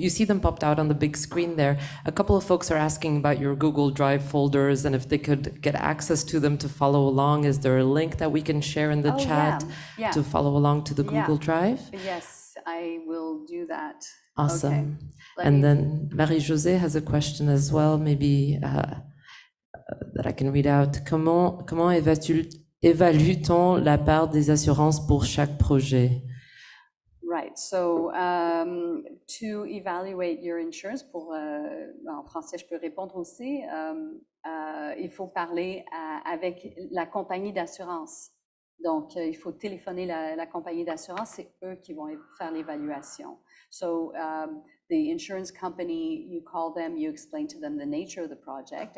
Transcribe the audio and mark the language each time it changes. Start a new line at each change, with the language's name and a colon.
English: you see them popped out on the big screen there. A couple of folks are asking about your Google Drive folders and if they could get access to them to follow along. Is there a link that we can share in the chat to follow along to the Google Drive? Yes, I will do that. Awesome. Okay. Then Marie-José has a question as well, maybe. That I can read out.
French: Comment évalue-t-on la part des assurances pour chaque projet?
English: Right. So to evaluate your insurance,
French: pour en français, je peux répondre aussi. Il faut parler avec la compagnie d'assurance. Donc il faut téléphoner la compagnie d'assurance. C'est eux qui vont faire l'évaluation.
English: So the insurance company, you call them, you explain to them the nature of the project.